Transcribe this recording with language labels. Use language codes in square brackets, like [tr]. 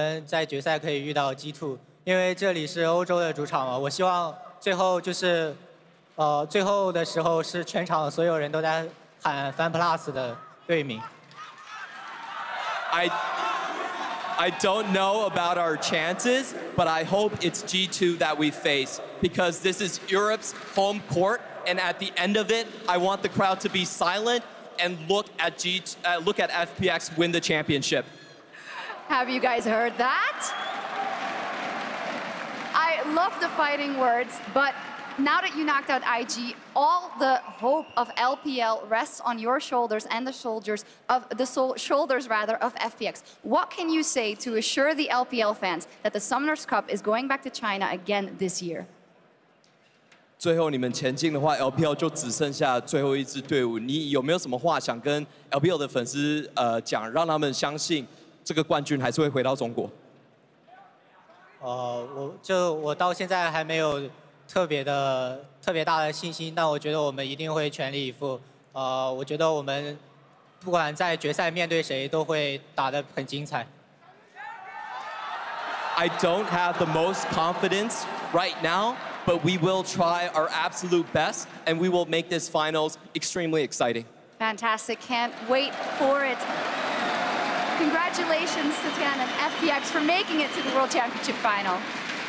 [zh] 多少机会我不清楚，但是我希望我们在决赛可以遇到 G2， 因为这里是欧洲的主场嘛，我希望最后的时候是全场所有人都在喊 FunPlus 的队名。 [en] I don't know about our chances, but I hope it's G2 that we face because this is Europe's home court, and at the end of it, I want the crowd to be silent and look at FPX win the championship. Have you guys heard that? I love the fighting words, but now that you knocked out IG, all the hope of LPL rests on your shoulders and the shoulders of FPX. What can you say to assure the LPL fans that the Summoner's Cup is going back to China again this year? [zh] 最后你们前进的话， LPL 就只剩下最后一支队伍。你有没有什么话想跟 LPL 的粉丝讲， 让他们相信这个冠军还是会回到中国？我到现在还没有 特别大的信心，但我觉得我们一定会全力以赴。我觉得我们不管在决赛面对谁，都会打得很精彩。I [en] don't have the most confidence right now, but we will try our absolute best, and we will make this finals extremely exciting. Fantastic! Can't wait for it. Congratulations, Tian and FPX. FPX for making it to the World Championship Final.